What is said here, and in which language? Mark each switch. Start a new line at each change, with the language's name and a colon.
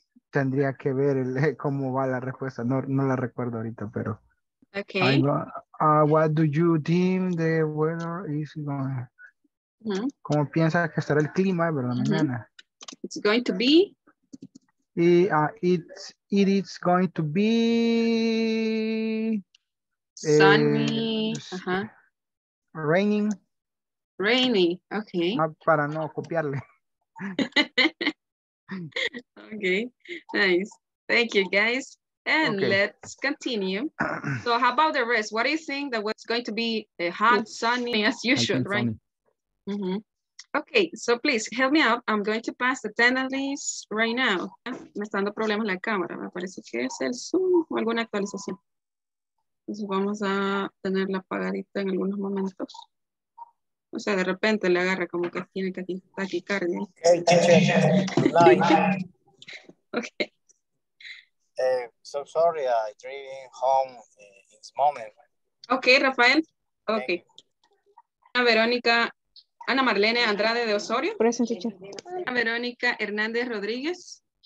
Spanish: Tendría que ver el, cómo va la respuesta. No la recuerdo ahorita, pero. Okay.
English: What do you deem the weather is going to be?
Spanish: ¿Cómo piensas que estará el clima, verdad, mañana?
English: It's going to be. It is going to be. Sunny. Uh-huh. Raining. Rainy. Okay.
Spanish: Para no copiarle.
English: Okay, nice. Thank you, guys. And okay, let's continue. So how about the rest? What do you think that was going to be a hot, sunny as usual, right? Mm-hmm. Okay, so please help me out. I'm going to pass the attendance right now.
Spanish: Me está dando problemas la cámara. Me parece que es el Zoom o alguna actualización. Entonces vamos a tenerla apagadita en algunos momentos. O sea, de repente le agarra como que tiene que taquicardia.
English: Okay, teacher. Okay. So sorry, I'm driving home in this moment. Okay, Rafael. Okay. Ana Verónica, Ana Marlene Andrade de Osorio. Present, teacher. Ana Verónica Hernández Rodríguez.